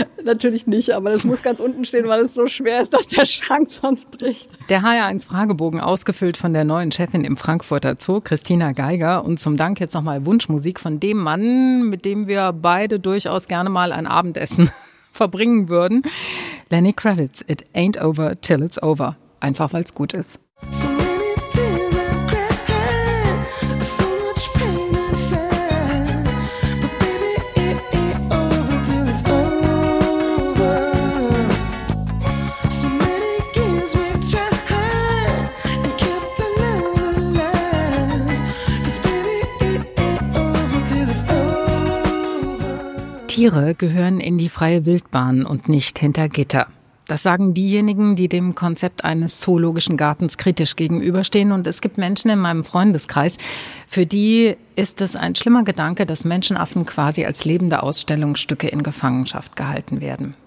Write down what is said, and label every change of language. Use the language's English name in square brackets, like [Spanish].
[German] Natürlich nicht, aber das muss ganz unten stehen, weil es so schwer ist, dass der Schrank sonst bricht. Der HR1-Fragebogen, ausgefüllt von der neuen Chefin im Frankfurter Zoo, Christina Geiger. Und zum Dank jetzt nochmal Wunschmusik von dem Mann, mit dem wir beide durchaus gerne mal ein Abendessen verbringen würden. Lenny Kravitz, It Ain't Over Till It's Over. Einfach, weil es gut ist. [English] So many tears I cried, so much pain inside. But baby, it ain't over till it's over. So many games we tried and kept another life. 'Cause baby, it ain't over till it's over. [German] Tiere gehören in die freie Wildbahn und nicht hinter Gitter. Das sagen diejenigen, die dem Konzept eines zoologischen Gartens kritisch gegenüberstehen. Und es gibt Menschen in meinem Freundeskreis, für die ist es ein schlimmer Gedanke, dass Menschenaffen quasi als lebende Ausstellungsstücke in Gefangenschaft gehalten werden.